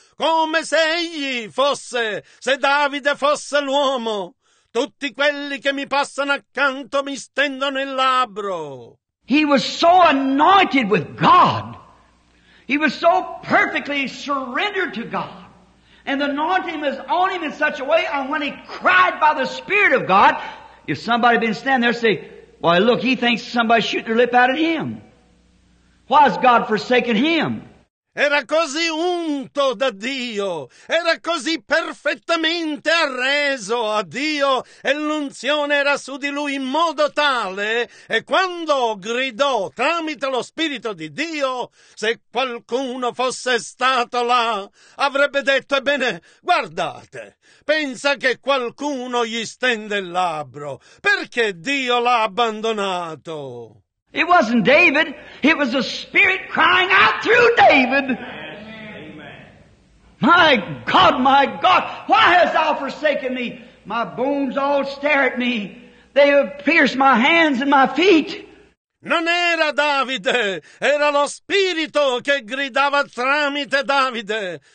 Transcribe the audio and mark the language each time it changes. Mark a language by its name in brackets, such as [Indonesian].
[Italian] Come se egli fosse, se Davide fosse l'uomo. Tutti quelli che mi passano accanto mi stendono il labbro. [English] He was so anointed with God. He was so perfectly surrendered to God. And the anointing was on him in such a way, and when he cried by the Spirit of God, if somebody had been standing there, say, why, look, he thinks somebody shooting their lip out at him. Why has God forsaken him? [Italian] Era così unto da Dio, era così perfettamente arreso a Dio, e l'unzione era su di lui in modo tale, e quando gridò tramite lo Spirito di Dio, se qualcuno fosse stato là, avrebbe detto, ebbene, guardate, pensa che qualcuno gli stende il labbro, perché Dio l'ha abbandonato? [English] It wasn't David, it was the Spirit crying out through David. Amen. My God, why hast thou forsaken me? My bones all stare at me, they have pierced my hands and my feet. [Italian] Non era Davide, era lo Spirito che gridava tramite Davide.